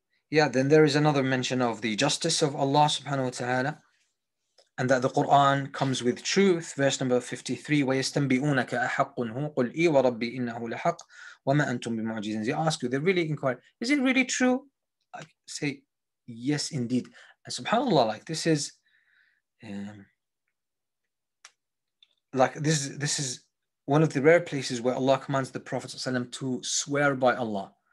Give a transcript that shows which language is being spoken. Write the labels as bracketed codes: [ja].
[en] Yeah, then there is another mention of the justice of Allah subhanahu wa ta'ala, and that the Quran comes with truth. Verse number 53, [ar] وَيَسْتَنْبِئُونَكَ أَحَقٌ هُوْ قُلْ إِي وَرَبِّي إِنَّهُ لَحَقٌ وَمَا أَنْتُمْ بِمُعْجِزِينَ. [en] They ask you, they really inquire, is it really true? I say, yes, indeed. And subhanAllah, like this is, this is one of the rare places where Allah commands the Prophet to swear by Allah.